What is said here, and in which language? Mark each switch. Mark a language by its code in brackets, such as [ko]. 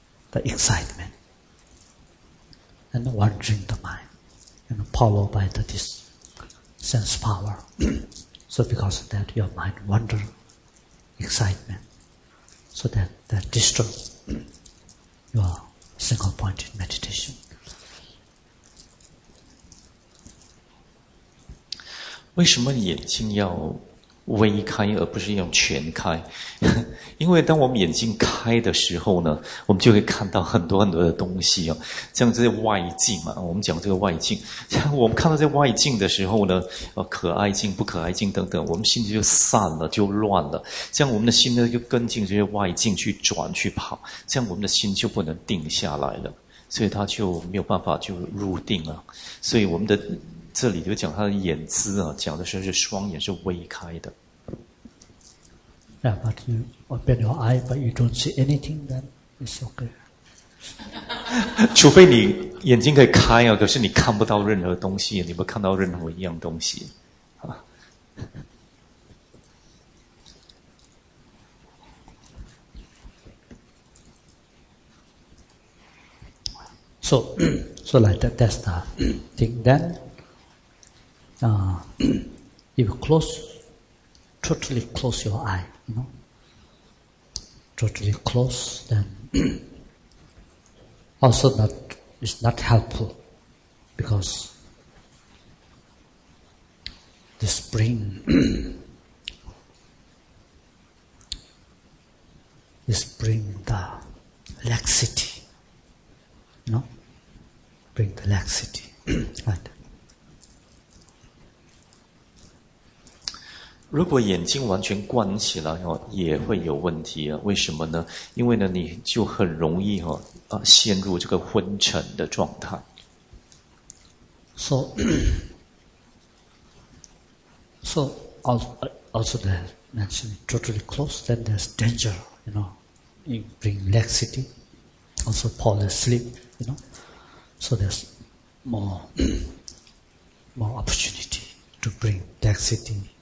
[en] The excitement and wandering the mind, you know, powered by this sense power. So because of that, your mind wander, excitement, so that disturbs your single-pointed meditation. [zh] 为什么眼睛要微开而不是用全开，因为当我们眼睛开的时候呢，我们就会看到很多很多的东西哦，像这些外境嘛，我们讲这个外境，像我们看到这外境的时候呢，可爱境、不可爱境等等，我们心就散了，就乱了，这样我们的心呢就跟进这些外境去转去跑，这样我们的心就不能定下来了，所以它就没有办法就入定了，所以我们的。这里就讲他的眼姿啊，讲的是双眼是微开的。 [en] Yeah, but you open your eye, but you don't see anything. Then it's okay. [zh] 除非你眼睛可以开啊，可是你看不到任何东西，你不看到任何一样东西啊。 [en] So like that, that's the thing then. You close, totally close your eye, you know. Totally close, then also that is not helpful because this brain this bring the laxity, you know, bring the laxity, right? [zh] 如果眼睛完全关起来也会有问题啊，为什么呢？因为呢你就很容易陷入这个昏沉的状态。 [en] So also that mentioned totally closed, then there's danger, you know, you bring laxity, also fall asleep, you know, so there's more opportunity to bring laxity.